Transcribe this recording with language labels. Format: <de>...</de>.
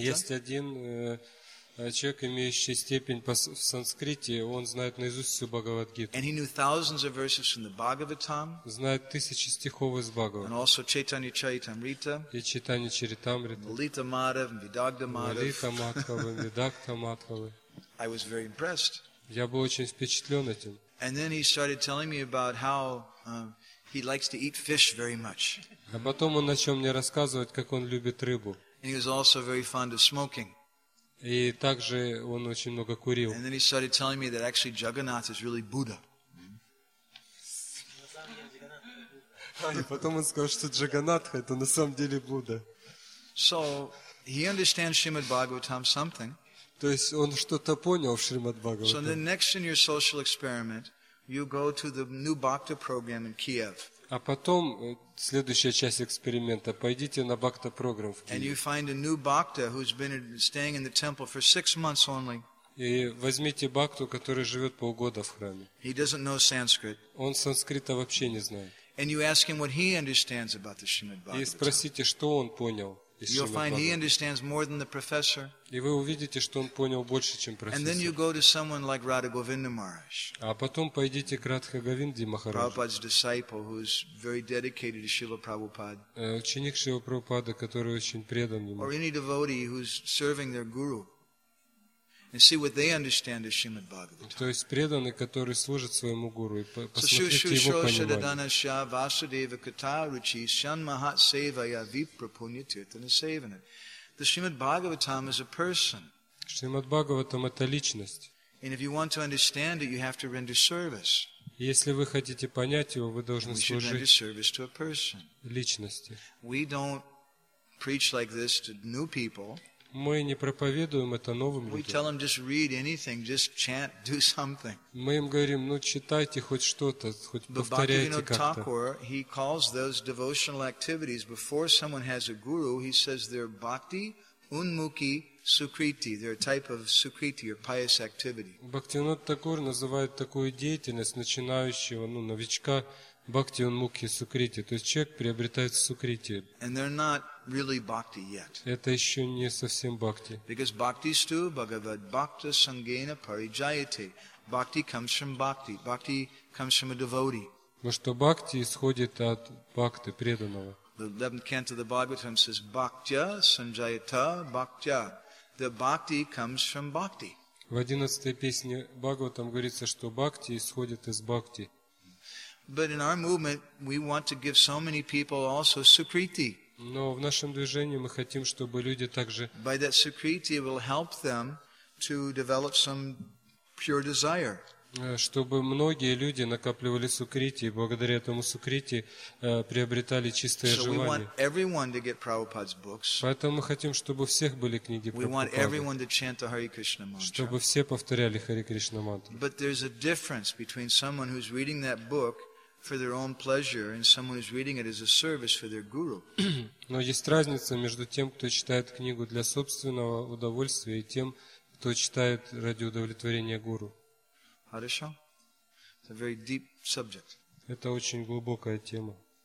<ru>Есть один человек, имеющий степень в санскрите, он знает наизусть всю Бхагавад Гиту.</ru> <en>And he knew thousands of verses from the Bhagavatam.</en> <ru>Знает тысячи стихов из Бхагавад.</ru> <en>And also Chaitanya Charitamrita.</en> <ru>И Чайтанья Чаритамрита. Лалита Мадхава, Видагдха Мадхава. Лалита Мадхава, Видагдха Мадхава.</ru> <en>I was very impressed.</en> <ru>Я был очень впечатлен этим.</ru> <en>And then he started telling me about how he likes to eat fish very much.</en> <ru>А потом он начал мне рассказывать, как он любит рыбу.</ru> <en>And he was also very fond of smoking.</en> <ru>И также он очень много курил.</ru> <en>And then he started telling me that actually Jagannath is really Buddha.</en> <ru>А потом он сказал, что Джаганнатха это на самом деле Будда.</ru> <en>So He understands Srimad Bhagavatam something.</en> <ru>То есть он что-то понял в Шримад Бхагаватам.</ru> <en>So then next in your social experiment, you go to the new Bhakta program in Kiev.</en> <ru>А потом следующая часть эксперимента, пойдите на Бхакта программ в Киеве.</ru> <en>And you find a new Bhakta who's been staying in the temple for 6 months only.</en> <ru>И возьмите Бхакту, который живет полгода в храме.</ru> <en>He doesn't know Sanskrit.</en> <ru>Он санскрита вообще не знает.</ru> <en>And you ask him what he understands about the Srimad Bhagavatam.</en> <ru>И спросите, что он понял.</ru> <en>You'll find he understands more than the professor.</en> <ru>И вы увидите, что он понял больше, чем профессор.</ru> <en>And then you go to someone like Radha Govinda Maharaj.</en> <ru>А потом пойдите к Радха Говинде Махараджу.</ru> <en>Prabhupada's disciple, who's very dedicated to Srila Prabhupada.</en> <ru>Ученик Шрилы Прабхупады, который очень предан ему.</ru> <en>Or any devotee who's serving their guru, and see what they understand of Srimad Bhagavatam.</en> <ru>То есть преданный, который служит своему гуру, и посмотрите его понимание.</ru> <en>The Srimad Bhagavatam is a person.</en> <ru>Шримад Бхагаватам это личность.</ru> <en>And if you want to understand it, you have to render service.</en> <ru>Если вы хотите понять его, вы должны служить личности.</ru> <en>We don't preach like this to new people.</en> <ru>Мы не проповедуем это новым людям.</ru> <en>We tell them just read anything, just chant, do something.</en> <ru>Мы им говорим, ну читайте хоть что-то, хоть повторяйте как-то.</ru> <en>He calls those devotional activities before someone has a guru. He says they're bhakti unmukhi sukriti. They're a type of sukriti or pious activity.</en> <ru>Бхактивинод Тхакур называет такую деятельность начинающего, ну новичка, бхакти унмукхи сукрити. То есть человек приобретает сукрити.</ru> <en>And they're not really bhakti yet.</en> <ru>Это еще не совсем бхакти.</ru> <en>Because</en> <sa>bhakti stu bhagavad bhakta sangena parijayate.</sa> <en>Bhakti comes from bhakti. Bhakti comes from a devotee.</en> <ru>Потому что бхакти исходит от бхакты, преданного.</ru> <en>The 11th canto of the Bhagavatam says</en> <sa>bhaktya sanjayata bhaktya.</sa> <en>The bhakti comes from bhakti.</en> <ru>В 11-й песне Бхагаватам говорится, что бхакти исходит из бхакти.</ru> <en>But in our movement, we want to give so many people also sukriti.</en> <ru>Но в нашем движении мы хотим, чтобы люди также.</ru> <en>By that sukriti, will help them to develop some pure desire.</en> <ru>Чтобы многие люди накапливали сукрити, и благодаря этому сукрити приобретали чистое желание.</ru> <en>So we want everyone to get Prabhupada's books.</en> <ru>Поэтому мы хотим, чтобы у всех были книги Прабхупады.</ru> <en>We want everyone to chant the Hare Krishna mantra.</en> <ru>Чтобы все повторяли Hare Krishna mantra.</ru> <en>But there's a difference between someone who's reading that book for their own pleasure and someone who's reading it as a service for their guru.</en> <ru>Но есть разница между тем, кто читает книгу для собственного удовольствия и тем, кто читает ради удовлетворения гуру. Хорошо.</ru> <en>It's a very deep subject.</en> <ru>Это очень глубокая тема.</ru>